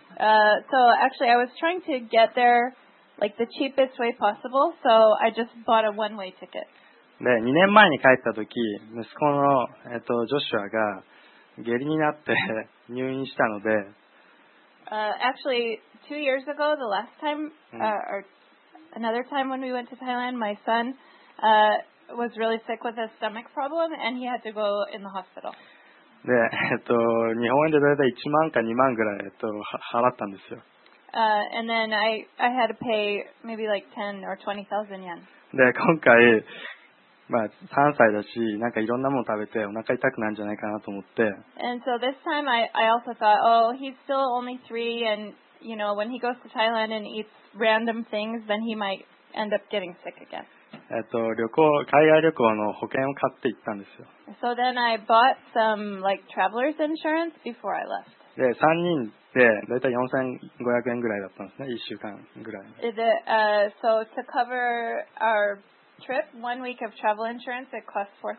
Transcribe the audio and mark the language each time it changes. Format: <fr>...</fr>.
<en>So actually, I was trying to get there like the cheapest way possible. So I just bought a one-way ticket.</en> <ja>で、2年前に帰った時、息子の、ジョシュアが下痢になって入院したので、</ja> <en>Actually, 2 years ago, the last time, or another time when we went to Thailand, my son was really sick with a stomach problem, and he had to go in the hospital.</en> <ja>で、日本円でだいたい1万か2万ぐらい、払ったんですよ。</ja> <en>And then I had to pay maybe like 10 or 20,000 yen.</en> <ja>で、今回、まあ、3歳だし、なんかいろんなもの食べてお腹痛くなるんじゃないかなと思って。</ja> <en>And so this time I also thought, oh, he's still only 3 and, you know, when he goes to Thailand and eats random things, then he might end up getting sick again.</en> <ja>海外旅行の保険を買って行ったんですよ。</ja> <en>So then I bought some, like, traveler's insurance before I left.</en> <ja>で、3人で、だいたい4500円ぐらいだったんですね、1週間ぐらい。</ja> <en>So to cover our trip, 1 week of travel insurance, it cost</en>